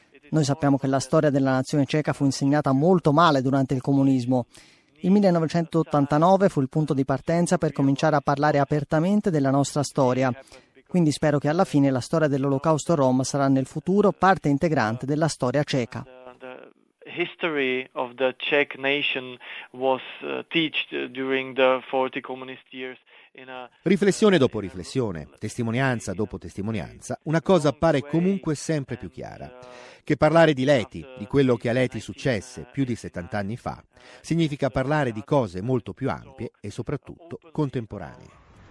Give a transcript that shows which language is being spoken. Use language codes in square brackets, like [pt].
[it] Noi sappiamo che la storia della nazione ceca fu insegnata molto male durante il comunismo. Il 1989 fu il punto di partenza per cominciare a parlare apertamente della nostra storia. Quindi spero che alla fine la storia dell'Olocausto Rom sarà nel futuro parte integrante della storia ceca. [en] History of the Czech nation was taught during the 40 communist years. [it] Riflessione dopo riflessione, testimonianza dopo testimonianza, una cosa appare comunque sempre più chiara, che parlare di Leti, di quello che a Leti successe più di 70 anni fa, significa parlare di cose molto più ampie e soprattutto contemporanee.